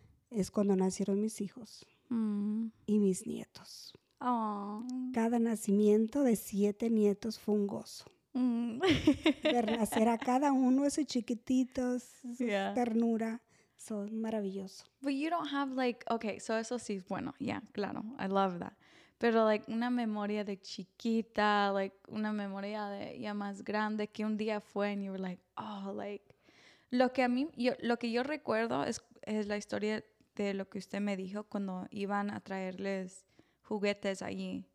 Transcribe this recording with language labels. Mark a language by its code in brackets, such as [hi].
[es] Es cuando nacieron mis hijos y mis nietos. Aww. Cada nacimiento de 7 nietos fue un gozo. Ver nacer a cada uno esos chiquititos, yeah. Ternura, eso es maravilloso. [en] But you don't have like, okay, so [es] eso sí es bueno, [en] yeah, claro, I love that. [es] Pero like una memoria de chiquita, like una memoria de ya más grande que un día fue [en] and you were like, [es] oh, like lo que a mí, yo, lo que yo recuerdo es la historia de lo que usted me dijo cuando iban a traerles juguetes allí.